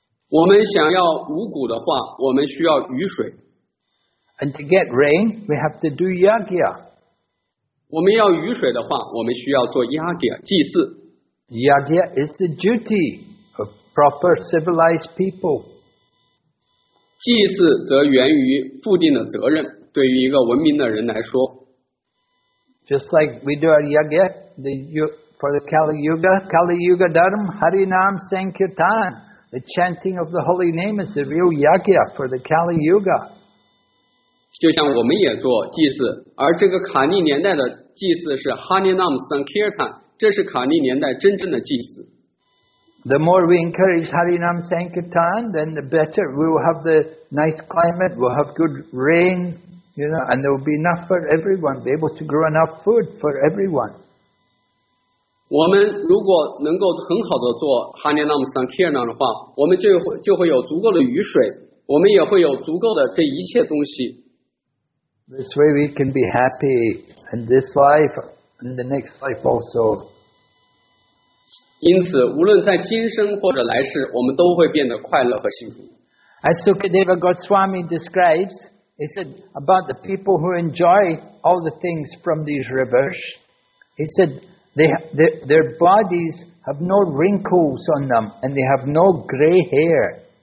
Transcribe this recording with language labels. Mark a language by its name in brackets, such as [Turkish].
[Chinese] 我们想要五谷的话，我们需要雨水。 [English] And to get rain, we have to do yagya. [Chinese] 我们要雨水的话，我们需要做 yagya 祭祀。 [English] Yagya is the duty of proper civilized people. [Chinese] 祭祀则源于固定的责任，对于一个文明的人来说。 [English] Just like we do our yagya for the Kali Yuga Dharma, Harinam Sankirtan, the chanting of the holy name is the real yagya for the Kali Yuga. [Chinese] 就像我们也做祭祀，而这个卡利年代的祭祀是 Harinam Sankirtan， 这是卡利年代真正的祭祀。 [English] The more we encourage Harinam Sankirtan, then the better. We will have the nice climate, we'll have good rain, you know, and there will be enough for everyone, be able to grow enough food for everyone. [Chinese] 我们如果能够很好的做 Harinam Sankirtan 的话，我们就会有足够的雨水，我们也会有足够的这一切东西。 [English] This way we can be happy in this life and the next life also. [Chinese] 因此，无论在今生或者来世，我们都会变得快乐和幸福。 [English] As Sukadeva Goswami describes, he said, about the people who enjoy all the things from these rivers, he said, their bodies have no wrinkles on them, and they have no gray hair.